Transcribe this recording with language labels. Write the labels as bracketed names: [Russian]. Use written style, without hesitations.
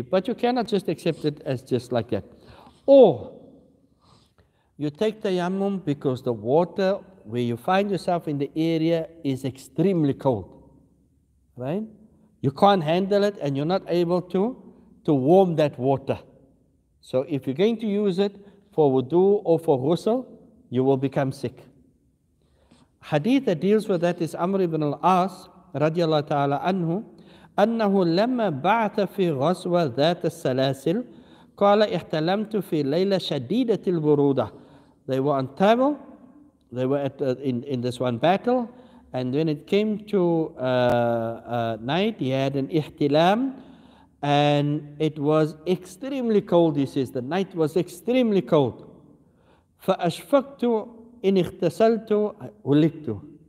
[English] But you cannot just accept it as just like that. Or you take tayammum because the water where you find yourself in the area is extremely cold, right? You can't handle it, and you're not able to warm that water. So if you're going to use it for wudu or for ghusl, you will become sick. Hadith that deals with that is Amr ibn al-As [Arabic] رضي الله تعالى عنه أنه لما بعث في غزوة ذات السلاسل قال احتلمت في ليلة شديدة البرودة. [English] They were on travel, they were at, in this one battle, and when it came to night, he had an ihtilam, and it was extremely cold. He says the night was extremely cold. [Arabic] فأشفقت إن اغتسلت ولدت.